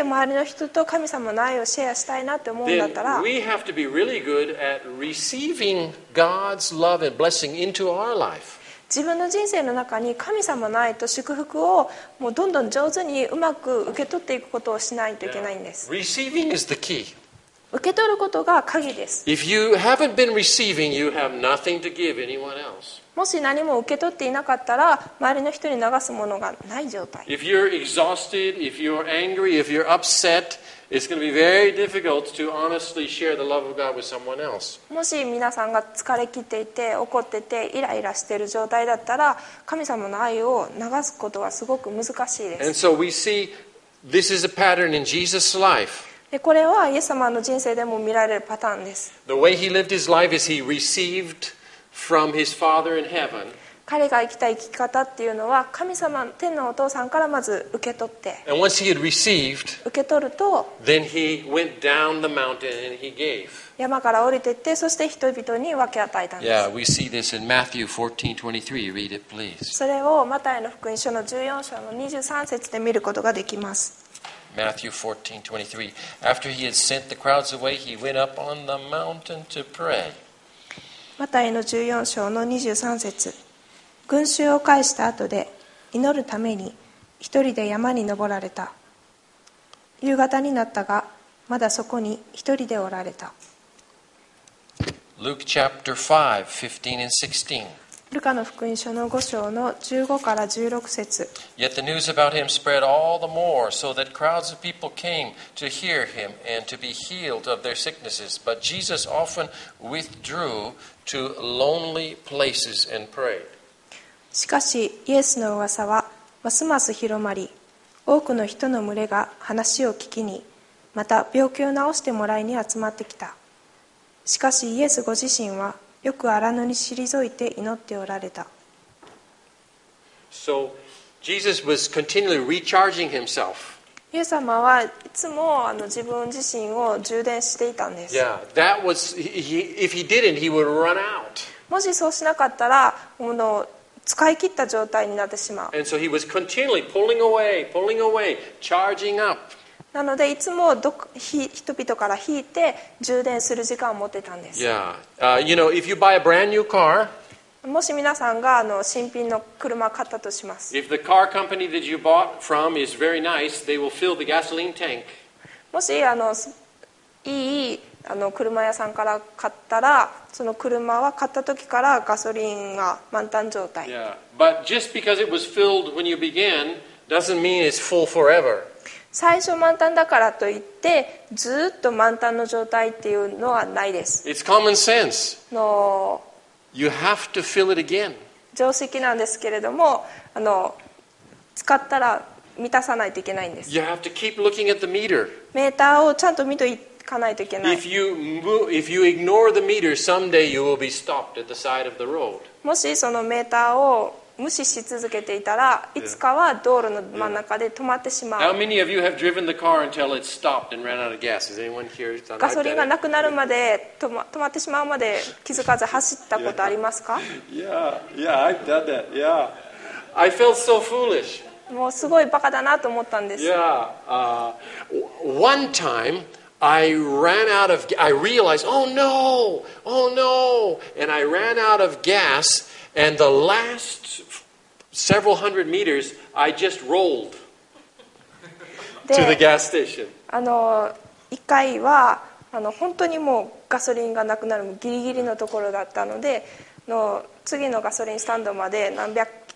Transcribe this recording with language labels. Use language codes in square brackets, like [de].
[ja] 周りの人と神様の愛をシェアしたいなって思うんだったら、 [en] we have to be really good at receiving God's love and blessing into our life. [ja] 自分の人生の中に神様の愛と祝福をもうどんどん上手にうまく受け取っていくことをしないといけないんです。 [en] Yeah. Receiving is the key. [ja] 受け取ることが鍵です。 [en] If you haven't been receiving, you have nothing to give anyone else. [ja] もし何も受け取っていなかったら、周りの人に流すものがない状態。 [en] If you're exhausted, if you're angry, if you're upset, it's going to be very difficult to honestly share the love of God with someone else. [ja] もし皆さんが疲れ切っていて、怒ってて、イライラしている状態だったら、神様の愛を流すことはすごく難しいです。 [en] And so we see this is a pattern in Jesus' life. [ja] で、これはイエス様の人生でも見られるパターンです。 [en] The way he lived his life is he received from his Father in heaven. [ja] 彼が生きた生き方っていうのは神様、天のお父さんからまず受け取って [en] And once he had received, [ja] 受け取ると [en] then he went down the mountain and he gave. [ja] 山から降りていってそして人々に分け与えたんです [en] Yeah, we see this in Matthew 14:23. Read it, please. [ja] それをマタイの福音書の14章の23節で見ることができます [en] Matthew 14:23. After he had sent the crowds away, he went up on the mountain to pray. [ja] マタイの14章の23節群衆を返した後で祈るために一人で山に登られた夕方になったがまだそこに一人でおられた [en] Luke chapter 5:15 and 16 [ja] ルカの福音書の5章の15から16節 [en] Yet the news about him spread all the more so that crowds of people came to hear him and to be healed of their sicknesses but Jesus often withdrew to lonely places and prayed [ja] しかしイエスの噂はますます広まり多くの人の群れが話を聞きにまた病気を治してもらいに集まってきたしかしイエスご自身はよく荒野に退いて祈っておられた [en] So, Jesus was continually recharging himself. [ja] イエス様はいつも自分自身を充電していたんです [en] Yeah, that was, if he didn't, he would run out. [ja] もしそうしなかったら使い切った状態になってしまう。 [en] And so he was continually pulling away, pulling away, charging up. [ja] なのでいつも人々から引いて充電する時間を持ってたんです。 [en] Yeah. You know, if you buy a brand new car, [ja] もし皆さんが新品の車を買ったとします。 [en] If the car company that you bought from is very nice, they will fill the gasoline tank. [ja] もしいい車屋さんから買ったらその車は買った時からガソリンが満タン状態 [en] Yeah, but just because it was filled when you began doesn't mean it's full forever. [ja] 最初満タンだからといってずっと満タンの状態っていうのはないです [en] It's common sense. No. You have to fill it again. [ja] 常識なんですけれども使ったら満たさないといけないんです [en] You have to keep looking at the meter. [ja] メーターをちゃんと見といて [en] If you ignore the meter, someday you will be stopped at the side of the road. [ja] もしそのメーターを無視し続けていたら、いつかは道路の真ん中で止まってしまう。 [en] How many of you have driven the car until it stopped and ran out of gas? Is anyone here? [ja] ガソリンがなくなるまで止まってしまうまで気づかず走ったことありますか [en] Yeah, yeah, I've done that. Yeah, I felt so foolish. [ja] もうすごいバカだなと思ったんです。 [en] Yeah, one time. I ran out of I realized, oh no, oh no, and I ran out of gas, and the last several hundred meters, I just rolled to the gas station. [ja] 一回は本当にもうガソリンがなくなるギリギリのところだったので、次のガソリンスタンドまで何百